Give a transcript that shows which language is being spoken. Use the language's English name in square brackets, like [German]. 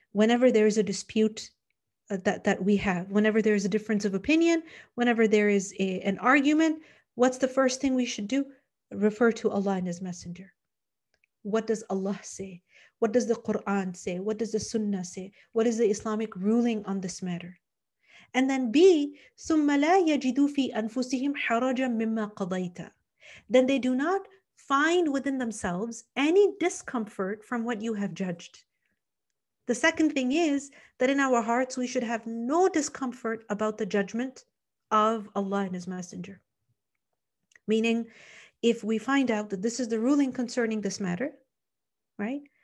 [English] Whenever there is a dispute that we have, whenever there is a difference of opinion, whenever there is an argument, what's the first thing we should do? Refer to Allah and His Messenger. What does Allah say? What does the Quran say? What does the Sunnah say? What is the Islamic ruling on this matter? And then B, [Arabic] ثُمَّ لَا يَجِدُوا فِي أَنفُسِهِمْ حَرَجًا مِمَّا قَضَيْتَ. [English] Then they do not find within themselves any discomfort from what you have judged. The second thing is that in our hearts, we should have no discomfort about the judgment of Allah and His Messenger. Meaning, if we find out that this is the ruling concerning this matter, right?